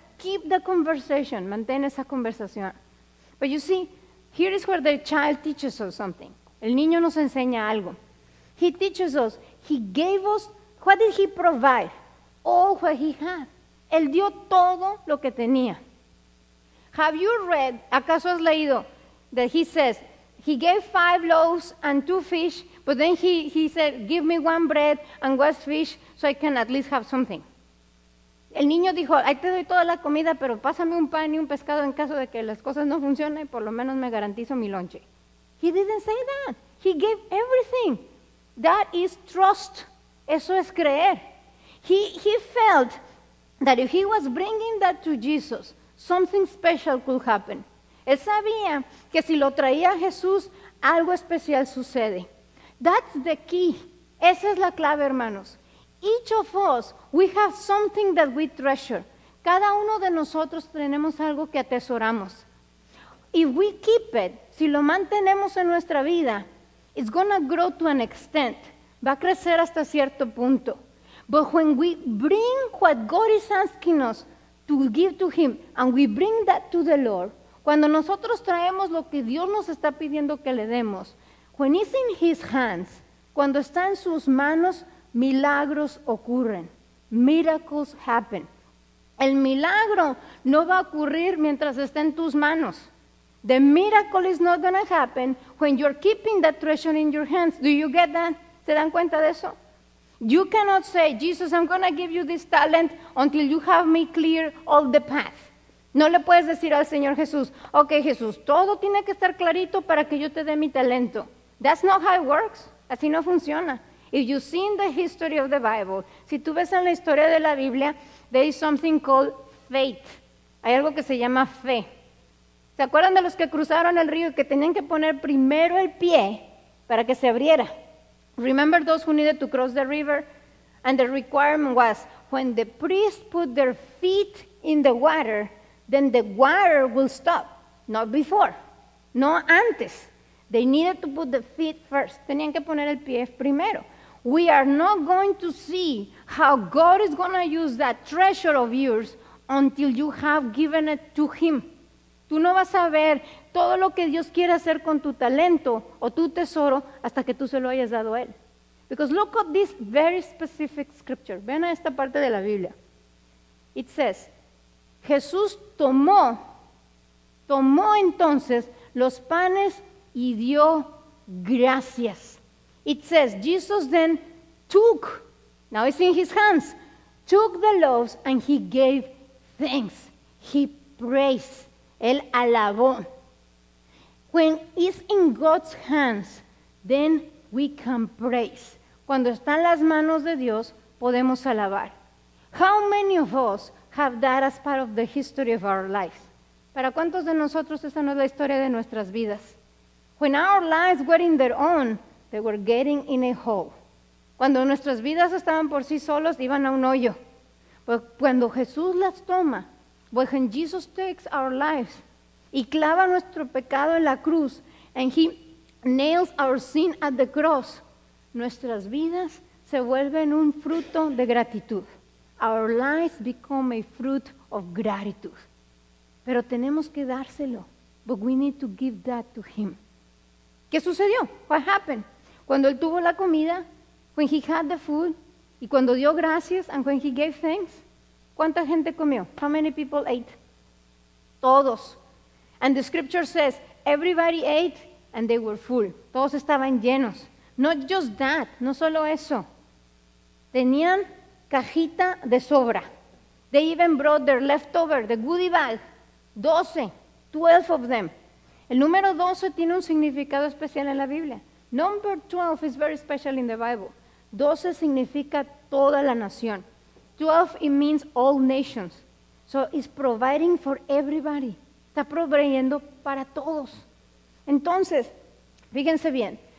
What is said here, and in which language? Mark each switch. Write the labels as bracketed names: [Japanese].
[English] Keep the conversation. [Spanish] Mantén esa conversación. [English] But you see, here is where the child teaches us something. [Spanish] El niño nos enseña algo. [English] He teaches us, he gave us, what did he provide? All what he had. [Spanish] Él dio todo lo que tenía. [English] Have you read, [Spanish] acaso has leído, [English] that he says, he gave 5 loaves and 2 fish, but then he said, give me 1 bread and 1 fish so I can at least have something. [Spanish] El niño dijo, ahí te doy toda la comida, pero pásame un pan y un pescado en caso de que las cosas no funcionen, por lo menos me garantizo mi lonche. [English] He didn't say that. He gave everything. That is trust. [Spanish] Eso es creer. [English] He felt that if he was bringing that to Jesus, something special could happen. [Spanish] Él sabía que si lo traía a Jesús, algo especial sucede. [English] That's the key. [Spanish] Esa es la clave, hermanos. [English] Each of us, we have something that we treasure. [Spanish] Cada uno de nosotros tenemos algo que atesoramos. [English] If we keep it, [Spanish] si lo mantenemos en nuestra vida, [English] it's going to grow to an extent. [Spanish] Va a crecer hasta cierto punto. [English] But when we bring what God is asking us to give to Him, and we bring that to the Lord, [Spanish] cuando nosotros traemos lo que Dios nos está pidiendo que le demos, [English] when it's in His hands, [Spanish] cuando está en sus manos, milagros ocurren. [English] Miracles happen. [Spanish] El milagro no va a ocurrir mientras esté en tus manos. [English] The miracle is not going to happen when you're keeping that treasure in your hands. Do you get that? [Spanish] ¿Se dan cuenta de eso? [English] You cannot say, Jesus, I'm going to give you this talent until you have me clear all the path. [Spanish] No le puedes decir al Señor Jesús, okay, Jesús, todo tiene que estar clarito para que yo te dé mi talento. [English] That's not how it works. [Spanish] Así no funciona. [English] If you see in the history of the Bible, [Spanish] si tú ves en la historia de la Biblia, [English] there is something called faith. [Spanish] Hay algo que se llama fe. ¿Se acuerdan de los que cruzaron el río y que tenían que poner primero el pie para que se abriera? [English] Remember those who needed to cross the river? And the requirement was, when the priest put their feet in the water, then the water will stop. Not before. [Spanish] No antes. [English] They needed to put the feet first. [Spanish] Tenían que poner el pie primero. [English] We are not going to see how God is going to use that treasure of yours until you have given it to Him. [Spanish] Tú no vas a ver todo lo que Dios quiere hacer con tu talento o tu tesoro hasta que tú se lo hayas dado a Él. [English] Because look at this very specific scripture. [Spanish] Vean a esta parte de la Biblia. [English] It says, [Spanish] Jesús tomó entonces los panes y dio gracias. [English] It says, Jesus then took, now it's in His hands, took the loaves and He gave thanks. He praised. [Spanish] Él alabó. [English] When it's in God's hands, then we can praise. [Spanish] Cuando están las manos de Dios, podemos alabar. [English] How many of us have that as part of the history of our lives? [Spanish] ¿Para cuántos de nosotros esa no es la historia de nuestras vidas? [English] When our lives were in their own, they were getting in a hole. [Spanish] Cuando nuestras vidas estaban por sí solos, iban a un hoyo. Pero cuando Jesús las toma, [English] when Jesus takes our lives [Spanish] y clava nuestro pecado en la cruz [English] and He nails our sin at the cross, [Spanish] nuestras vidas se vuelven un fruto de gratitud. [English] our lives become a fruit of gratitude. [Spanish] Pero tenemos que dárselo. [English] But we need to give that to him. [Spanish] ¿Qué sucedió? [English] What happened? [Spanish] Cuando él tuvo la comida, [English] when he had the food, [Spanish] y cuando dio gracias, [English] and when he gave thanks, [Spanish] ¿cuánta gente comió? [English] How many people ate? [Spanish] Todos. [English] And the scripture says, everybody ate and they were full. [Spanish] Todos estaban llenos. [English] Not just that, [Spanish] no solo eso. Tenían cajita de sobra. [English] They even brought their leftover, the goodie bag. 12, 12 of them. [Spanish] El número 12 tiene un significado especial en la Biblia. [English] Number 12 is very special in the Bible. [Spanish] 12 significa toda la nación. [English] 12, it means all nations. So it's providing for everybody. [Spanish] Está proveyendo para todos. Entonces, fíjense bien.